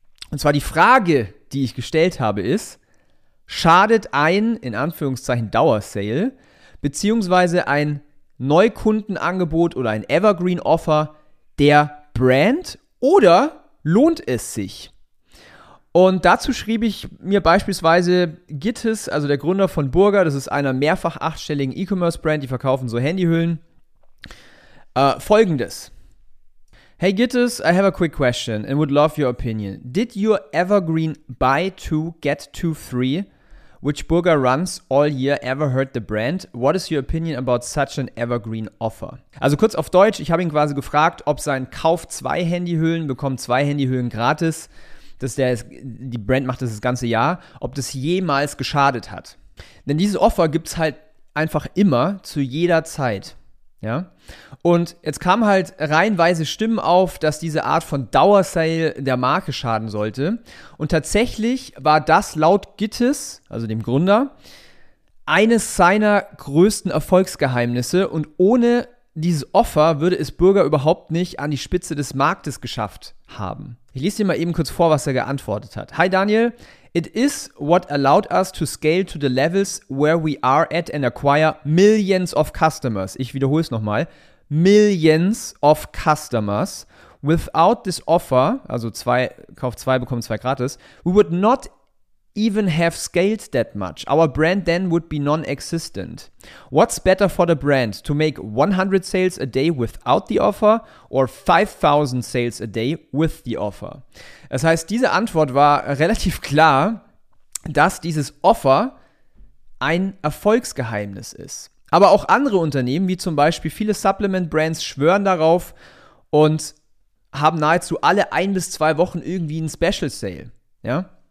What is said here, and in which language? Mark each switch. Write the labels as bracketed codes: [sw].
[de] Und zwar die Frage, die ich gestellt habe, ist: Schadet ein, in Anführungszeichen, Dauersale beziehungsweise ein Neukundenangebot oder ein Evergreen-Offer der Brand oder lohnt es sich? Und dazu schrieb ich mir beispielsweise Gittes, also der Gründer von Burger, das ist einer mehrfach 8-stelligen E-Commerce-Brand, die verkaufen so Handyhüllen, folgendes. [en] Hey Gittes, I have a quick question and would love your opinion. Did your evergreen buy 2, get 2, 3, which Burger runs all year, ever hurt the brand? What is your opinion about such an evergreen offer? [de] Also kurz auf Deutsch, ich habe ihn quasi gefragt, ob sein Kauf 2 Handyhüllen, bekommt 2 Handyhüllen gratis, die Brand macht das ganze Jahr, ob das jemals geschadet hat. Denn dieses Offer gibt es halt einfach immer, zu jeder Zeit. Ja? Und jetzt kamen halt reihenweise Stimmen auf, dass diese Art von Dauersale der Marke schaden sollte. Und tatsächlich war das laut Gittes, also dem Gründer, eines seiner größten Erfolgsgeheimnisse. Und ohne dieses Offer würde es Burger überhaupt nicht an die Spitze des Marktes geschafft haben. Ich lese dir mal eben kurz vor, was er geantwortet hat. [en] Hi Daniel, it is what allowed us to scale to the levels where we are at and acquire millions of customers. [de] Ich wiederhole es nochmal. [en] Millions of customers. Without this offer, [de] also Kauf 2 bekommt 2 gratis, [en] we would not even have scaled that much. Our brand then would be non-existent. What's better for the brand? To make 100 sales a day without the offer or 5000 sales a day with the offer? [de] Das heißt, diese Antwort war relativ klar, dass dieses Offer ein Erfolgsgeheimnis ist. Aber auch andere Unternehmen, wie zum Beispiel viele Supplement-Brands, schwören darauf und haben nahezu alle 1-2 Wochen irgendwie einen Special-Sale. Ja?